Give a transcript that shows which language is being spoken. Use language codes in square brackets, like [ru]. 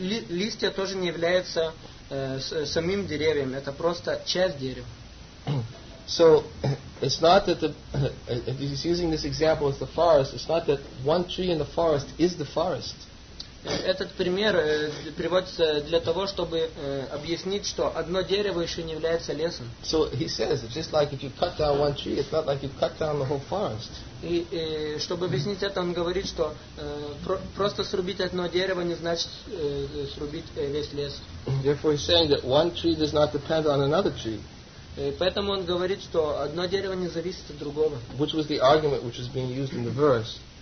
[ru] Листья тоже не являются самим деревьем. Это просто часть дерева. [en] So it's not that the, if he's using this example as the forest, it's not that one tree in the forest is the forest. [ru] Этот пример приводится для того, чтобы объяснить, что одно дерево еще не является лесом. [en] So he says, just like if you cut down one tree, it's not like you cut down the whole forest. [ru] И чтобы объяснить это, он говорит, что просто срубить одно дерево не значит срубить весь лес. [en] Therefore he's saying that one tree does not depend on another tree. [ru] Поэтому он говорит, что одно дерево не зависит от другого. [en] Which was the argument which was being used in the verse.